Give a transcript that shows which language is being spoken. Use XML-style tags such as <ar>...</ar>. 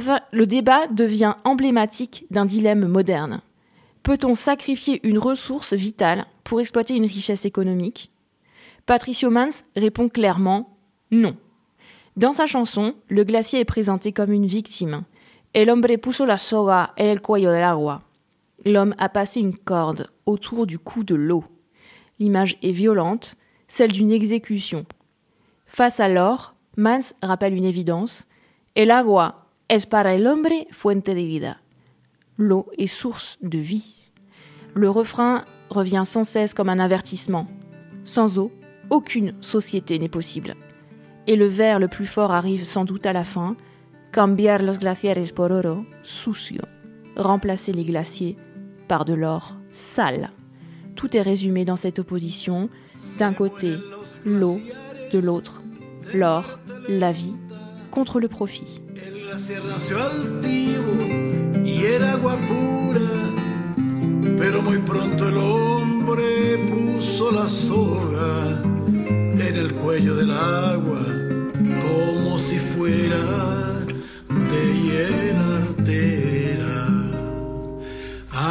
<fr>Le débat devient emblématique d'un dilemme moderne. Peut-on sacrifier une ressource vitale pour exploiter une richesse économique? Patricio Mans répond clairement « non ». Dans sa chanson, le glacier est présenté comme une victime.</fr> <es>« El hombre puso la soga en el cuello del agua ».</es> <fr>L'homme a passé une corde autour du cou de l'eau. L'image est violente, celle d'une exécution. Face à l'or, Mans rappelle une évidence.</fr> <es>El agua es para el hombre fuente de vida.</es> <fr>L'eau est source de vie. Le refrain revient sans cesse comme un avertissement. Sans eau, aucune société n'est possible. Et le vers le plus fort arrive sans doute à la fin.</fr> <es>Cambiar los glaciares por oro, sucio.</es> <fr>Remplacer les glaciers par de l'or sale. Tout est résumé dans cette opposition. D'un côté, l'eau, de l'autre, l'or, la vie, contre le profit.</fr> <es>El glaciar nació altivo y era agua pura, pero muy pronto el hombre puso la soga en el cuello del agua como si fuera de hiel artera.</es>